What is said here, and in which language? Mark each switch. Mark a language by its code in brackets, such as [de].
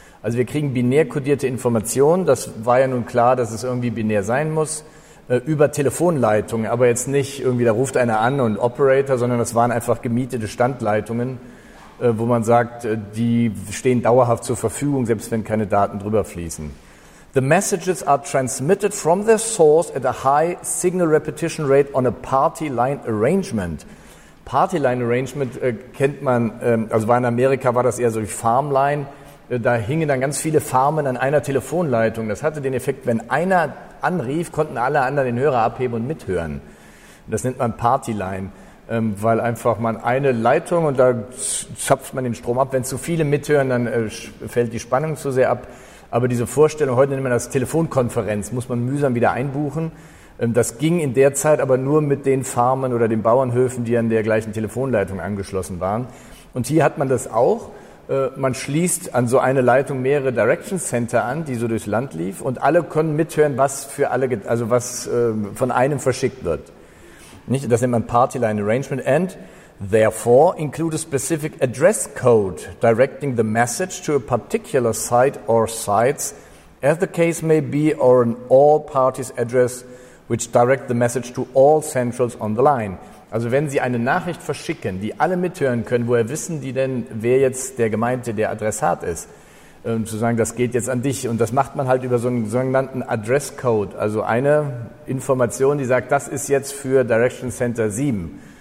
[de] Also wir kriegen binär kodierte Informationen, das war ja nun klar, dass es irgendwie binär sein muss, über Telefonleitungen, aber jetzt nicht irgendwie, da ruft einer an und Operator, sondern das waren einfach gemietete Standleitungen, wo man sagt, die stehen dauerhaft zur Verfügung, selbst wenn keine Daten drüber fließen. [en] The messages are transmitted from their source at a high signal repetition rate on a party line arrangement. [de] Party line arrangement kennt man, also war in Amerika, war das eher so wie Farm Line. Da hingen dann ganz viele Farmen an einer Telefonleitung. Das hatte den Effekt, wenn einer anrief, konnten alle anderen den Hörer abheben und mithören. Das nennt man Party Line, weil einfach man eine Leitung und da zapft man den Strom ab. Wenn zu viele mithören, dann fällt die Spannung zu sehr ab. Aber diese Vorstellung, heute nennt man das Telefonkonferenz, muss man mühsam wieder einbuchen. Das ging in der Zeit aber nur mit den Farmen oder den Bauernhöfen, die an der gleichen Telefonleitung angeschlossen waren. Und hier hat man das auch. Man schließt an so eine Leitung mehrere Direction Center an, die so durchs Land lief. Und alle können mithören, was für alle, also was von einem verschickt wird. Nicht? Das nennt man Party Line Arrangement. [en] And therefore include a specific address code directing the message to a particular site or sites, as the case may be, or an all parties address which direct the message to all centrals on the line. [de] Also wenn Sie eine Nachricht verschicken, die alle mithören können, woher wissen die denn, wer jetzt der Gemeinte, der Adressat ist? Zu sagen, das geht jetzt an dich. Und das macht man halt über so einen sogenannten Address Code. Also eine Information, die sagt, das ist jetzt für Direction Center 7.